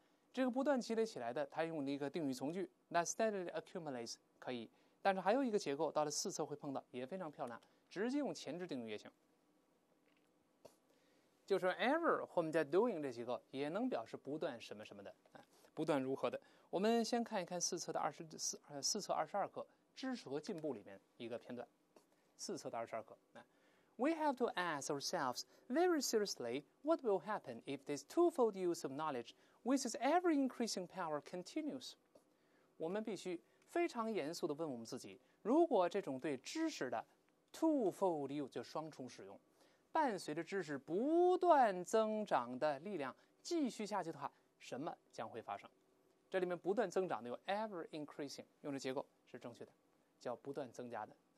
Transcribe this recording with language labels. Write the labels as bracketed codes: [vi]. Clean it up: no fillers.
[zh] 这个不断积累起来的，它用了一个定语从句， [en] That steadily accumulates [zh] 可以，但是还有一个结构到了四册会碰到，也非常漂亮，直接用前置定语也行，就是 ever 或我们在 doing 这几个也能表示不断什么什么的，不断如何的。我们先看一看四册的四册二十二课知识和进步里面一个片段。四册的二十二课， [en] We have to ask ourselves very seriously what will happen if this twofold use of knowledge with its ever increasing power continues。 [zh] 我们必须非常严肃地问我们自己，如果这种对知识的 [en] twofold use [zh] 就双重使用，伴随着知识不断增长的力量继续下去的话，什么将会发生？这里面不断增长的有 [en] ever increasing， [zh] 用这结构是正确的，叫不断增加的。